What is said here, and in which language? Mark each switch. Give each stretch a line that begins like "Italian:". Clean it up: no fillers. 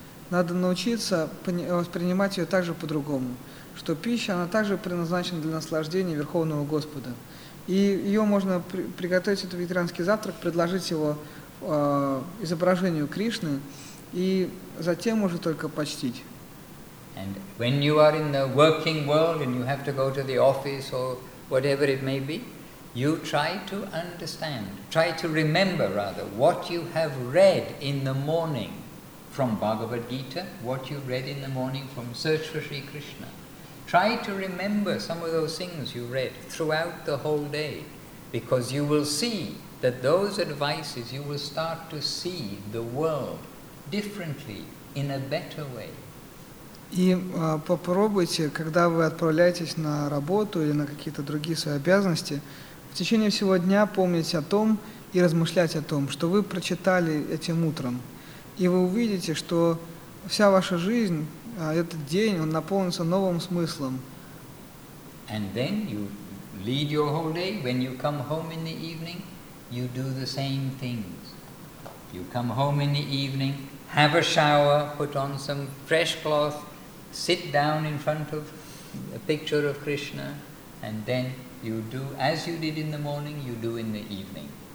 Russian: Надо научиться воспринимать ее также по-другому, что пища, она также предназначена для наслаждения Верховного Господа. И ее можно приготовить, этот вегетарианский завтрак, предложить его изображению Кришны и затем уже только почтить.
English: And when you are in the working world and you have to go to the office or whatever it may be, you try to understand, try to remember rather, what you have read in the morning from Bhagavad Gita, what you read in the morning from Search for Sri Krishna. Try to remember some of those things you read throughout the whole day, because you will see that those advices, you will start to see the world differently, in a better way.
Russian: И попробуйте, когда вы отправляетесь на работу или на какие-то другие свои обязанности, в течение всего дня помнить о том и размышлять о том, что вы прочитали этим утром. И вы увидите, что вся ваша жизнь, этот день, он наполнится новым смыслом.
English: And then you lead your whole day. When you come home in the evening, you do the same things. You come home in the evening, have a shower, put on some fresh cloth, sit down in front of a picture of Krishna, and then you do as you did in the morning, you do in the evening.